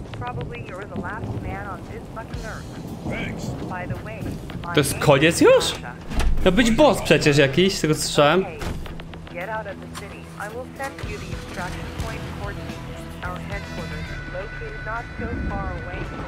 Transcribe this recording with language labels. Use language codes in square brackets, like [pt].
[en] Probably you're the last man on this fucking earth. Thanks. By the way, [pl] to jest koniec już? To być boss przecież jakiś, z tego co słyszałem. [en] Get out of the city. I will send you the extraction point coordinates. Our headquarters is located not so far away.